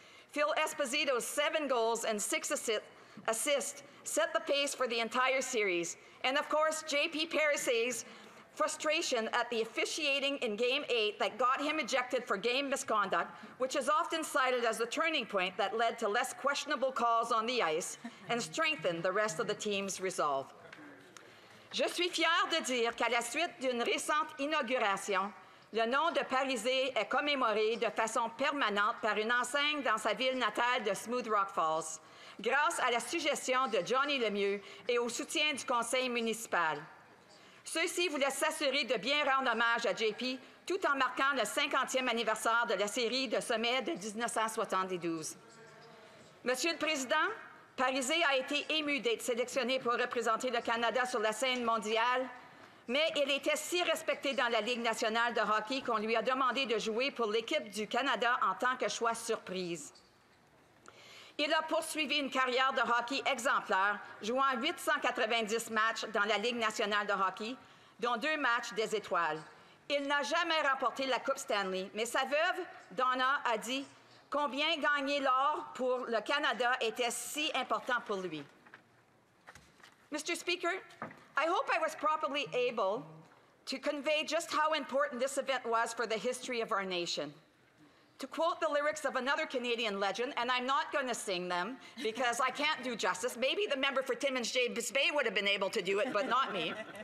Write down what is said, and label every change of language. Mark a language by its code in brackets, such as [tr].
[en] Phil Esposito's 7 goals and 6 assists set the pace for the entire series. And of course, J.P. Parizé's frustration at the officiating in Game 8 that got him ejected for game misconduct, which is often cited as the turning point that led to less questionable calls on the ice and strengthened the rest of the team's resolve. [fr] Je suis fier de dire qu'à la suite d'une récente inauguration, le nom de Parizé est commémoré de façon permanente par une enseigne dans sa ville natale de Smooth Rock Falls, grâce à la suggestion de Johnny Lemieux et au soutien du conseil municipal. Ceux-ci voulaient s'assurer de bien rendre hommage à JP tout en marquant le 50e anniversaire de la série de sommets de 1972. Monsieur le Président, Parizé a été ému d'être sélectionné pour représenter le Canada sur la scène mondiale. Mais il était si respecté dans la Ligue nationale de hockey qu'on lui a demandé de jouer pour l'équipe du Canada en tant que choix surprise. Il a poursuivi une carrière de hockey exemplaire, jouant 890 matchs dans la Ligue nationale de hockey, dont 2 matchs des étoiles. Il n'a jamais remporté la Coupe Stanley, mais sa veuve, Donna, a dit combien gagner l'or pour le Canada était si important pour lui. [en] Mr. Speaker, I hope I was properly able to convey just how important this event was for the history of our nation. To quote the lyrics of another Canadian legend, and I'm not going to sing them because I can't do justice. Maybe the member for Timmins, Jay Bisbay, would have been able to do it, but not me.